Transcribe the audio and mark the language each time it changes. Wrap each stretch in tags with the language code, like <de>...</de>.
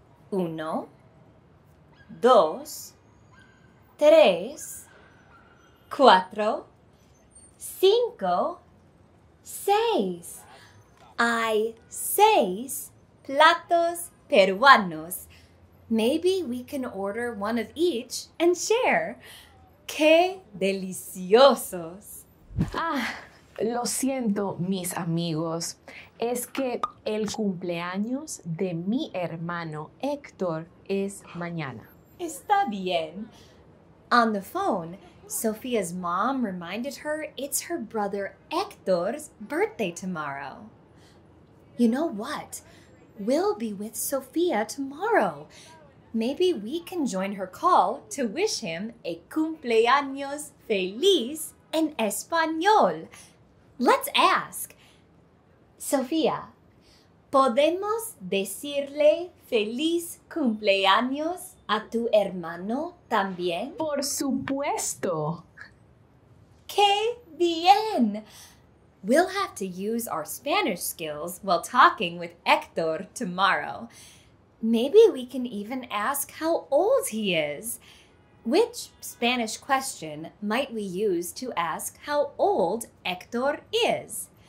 <es>Uno, dos, tres, cuatro, cinco, seis. Hay seis platos peruanos.</es> <en>Maybe we can order one of each and share.</en> <es>¡Qué deliciosos! Ah, lo siento, mis amigos. Es que el cumpleaños de mi hermano Héctor es mañana. Está bien.</es> <en>On the phone, Sofía's mom reminded her it's her brother Héctor's birthday tomorrow. You know what? We'll be with Sofía tomorrow. Maybe we can join her call to wish him a</en> <es>cumpleaños feliz en español.</es> <en>Let's ask.</en> <es>Sofía, ¿podemos decirle feliz cumpleaños a tu hermano también? Por supuesto. ¡Qué bien!</es> <en>We'll have to use our Spanish skills while talking with Héctor tomorrow. Maybe we can even ask how old he is. Which Spanish question might we use to ask how old Héctor is?</en>